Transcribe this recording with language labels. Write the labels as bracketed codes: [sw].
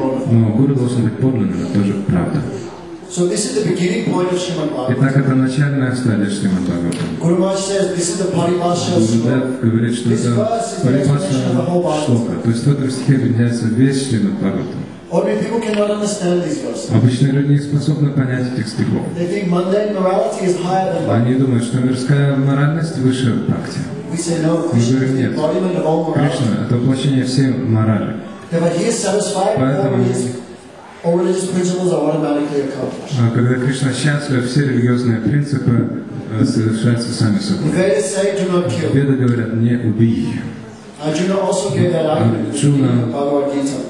[ru] Но Гуру должен быть подлинным, это тоже правда. [en] So this is the beginning point of Srimad Bhagavatam. [ru] Итак, это начальная стадия Srimad Bhagavatam. [en] Guru Maharaj says this is the Paribhasha Shloka. [ru] Говорит, что это Paribhasha Shloka. То есть в этом стихе объединяется весь Srimad Bhagavatam. [en] Ordinary people cannot understand these verses. [ru] Обычные люди не способны понять этих стихов. [en] They think mundane morality is higher than bhakti. [ru] Они думают, что мирская моральность выше бхакти. [en] We say no, Krishna is the embodiment of all morality. [ru] Кришна – это воплощение всей морали. Поэтому [en] all religious principles are automatically accomplished. [ru] Когда Кришна счастлив, все религиозные принципы совершаются сами собой. [en] Веды say, do not kill. [ru] Веды говорят, не убий. [en] Арджуна also gave that argument in Bhagavad Gita.